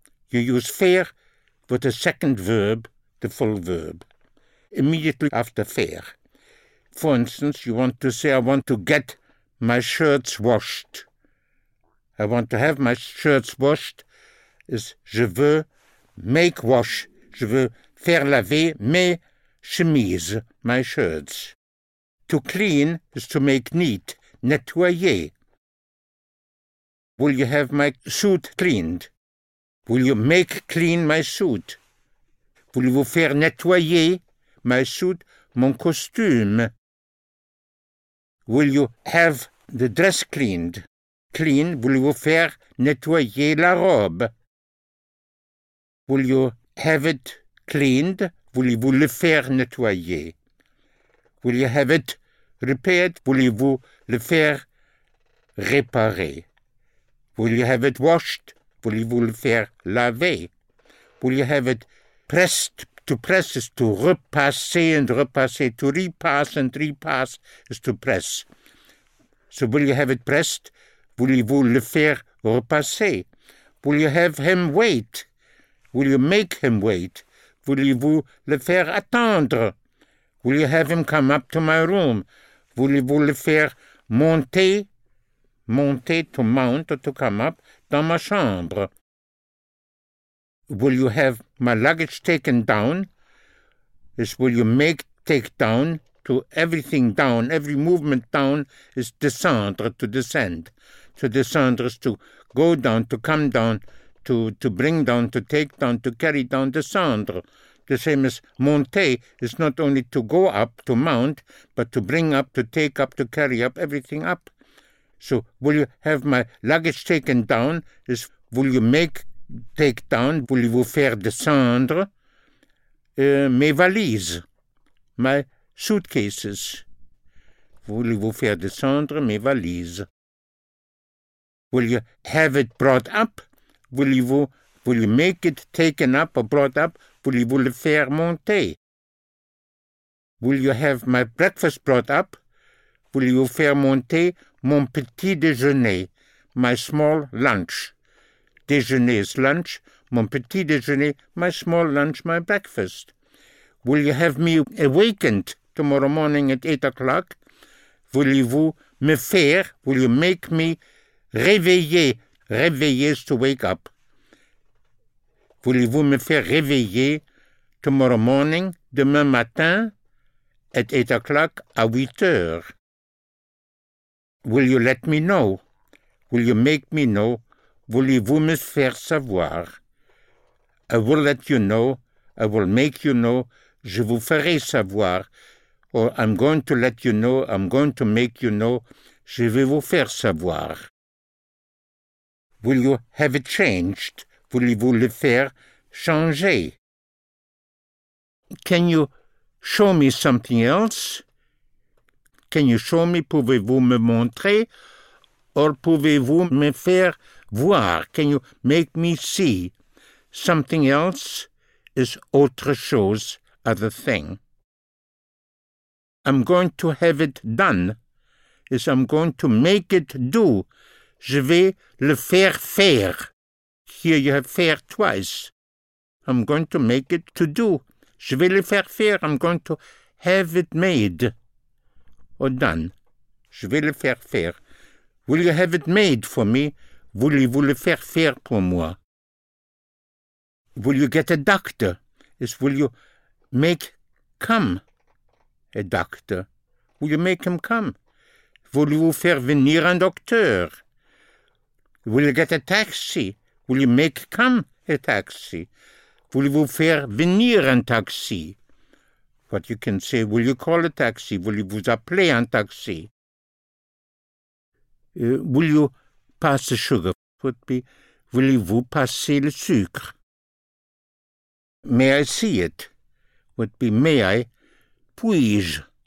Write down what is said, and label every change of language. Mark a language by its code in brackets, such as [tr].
[en] You use faire with the second verb, the full verb, immediately after faire. For instance, you want to say, I want to get my shirts washed. I want to have my shirts washed is [fr] je veux [en] make wash. [fr] Je veux faire laver mes chemises, [en] my shirts. To clean is to make neat, nettoyer. Will you have my suit cleaned? Will you make clean my suit? [fr] Voulez-vous faire nettoyer [en] my suit, [fr] mon costume? [en] Will you have the dress cleaned? [fr] Clean, voulez-vous faire nettoyer la robe? [en] Will you have it cleaned? [fr] Voulez-vous le faire nettoyer? [en] Will you have it repaired? [fr] Voulez-vous le faire réparer? [en] Will you have it washed? [fr] Voulez-vous le faire laver? [en] Will you have it pressed? To press is to repasser and repasser. To repass and repass is to press. So will you have it pressed? [fr] Voulez-vous le faire repasser? [en] Will you have him wait? Will you make him wait? [fr] Voulez-vous le faire attendre? [en] Will you have him come up to my room? [fr] Voulez-vous le faire monter? [en] Monter, to mount or to come up, [fr] dans ma chambre. [en] Will you have my luggage taken down? Is will you make take down, to everything down, every movement down is descendre, to descend. To descendre is to go down, to come down, to bring down, to take down, to carry down, descendre. The same as monter is not only to go up, to mount, but to bring up, to take up, to carry up, everything up. So, will you have my luggage taken down? Is will you make take down? [fr] Voulez-vous faire descendre mes valises, [en] my suitcases? [fr] Voulez-vous faire descendre mes valises? [en] Will you have it brought up? Will you make it taken up or brought up? [fr] Voulez-vous le faire monter? [en] Will you have my breakfast brought up? [fr] Voulez-vous faire monter mon petit déjeuner, [en] my small lunch? Déjeuner is lunch. [fr] Mon petit déjeuner, [en] my small lunch, my breakfast. Will you have me awakened tomorrow morning at 8 o'clock? [fr] Voulez-vous me faire? [en] Will you make me réveiller? Réveiller is to wake up. [fr] Voulez-vous me faire réveiller [en] tomorrow morning, [fr] demain matin, [en] at 8 o'clock, [fr] à 8 heures? [en] Will you let me know? Will you make me know? [fr] Voulez-vous me faire savoir? [en] I will let you know. I will make you know. [fr] Je vous ferai savoir. [en] Or I'm going to let you know. I'm going to make you know. [fr] Je vais vous faire savoir. [en] Will you have it changed? [fr] Voulez-vous le faire changer? [en] Can you show me something else? Can you show me? [fr] Pouvez-vous me montrer? Or pouvez-vous me faire voir? [en] Can you make me see? Something else is [fr] autre chose, [en] other thing. I'm going to have it done. Is I'm going to make it do. [fr] Je vais le faire faire. [en] Here you have faire twice. I'm going to make it to do. [fr] Je vais le faire faire. [en] I'm going to have it made or done. [fr] Je vais le faire faire. [en] Will you have it made for me? [fr] Voulez-vous le faire faire pour moi? [en] Will you get a doctor? Is will you make come a doctor? Will you make him come? [fr] Voulez-vous faire venir un docteur? [en] Will you get a taxi? Will you make come a taxi? [fr] Voulez-vous faire venir un taxi? [en] What you can say, will you call a taxi? [fr] Voulez-vous appeler un taxi? [en] Will you pass the sugar? Would be, [fr] voulez-vous passer le sucre? [en] May I see it? Would be, may I, [fr] puis-je?